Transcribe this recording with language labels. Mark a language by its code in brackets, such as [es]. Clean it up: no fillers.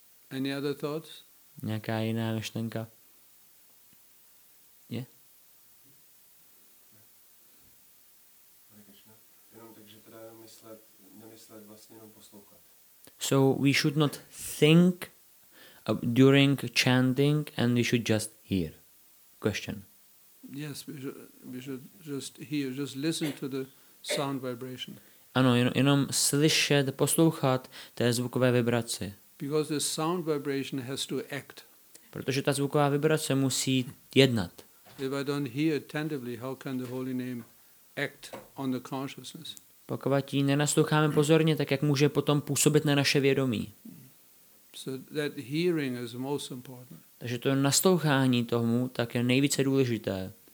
[en] Any other thoughts? [cs] Nějaká jiná myšlenka? Je? Jenom tak, že teda nemyslet vlastně jenom poslouchat. [en] So we should not think during chanting and we should just hear. Question. Yes, we should just hear, just listen to the sound vibration. [cs] Ano, jenom slyšet, poslouchat té zvukové vibrace. [en] Because the sound vibration has to act. [cs] Protože ta zvuková vibrace musí jednat. [en] If I don't hear attentively, how can the holy name act on the consciousness? [cs] Pokud ji nenasloucháme pozorně, tak jak může potom působit na naše vědomí? [en] So that hearing is most important. [cs] Takže to naslouchání tomu tak je nejvíce důležité.